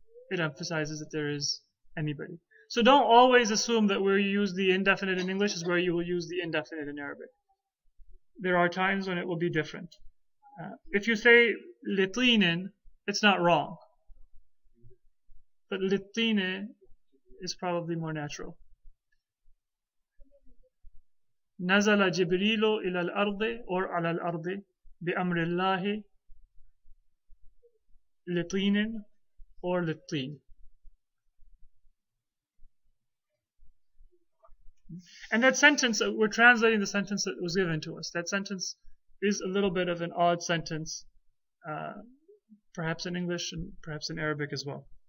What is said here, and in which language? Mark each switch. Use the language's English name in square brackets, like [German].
[English] It emphasizes that there is anybody. So don't always assume that where you use the indefinite in English is where you will use the indefinite in Arabic. There are times when it will be different. If you say litlinin, it's not wrong. But litlinin is probably more natural. [Arabic] نزل جبريل إلى الأرض أو على الأرض بأمر الله لطين أو للطين. [English] And that sentence, we're translating the sentence that was given to us. That sentence is a little bit of an odd sentence, perhaps in English and perhaps in Arabic as well.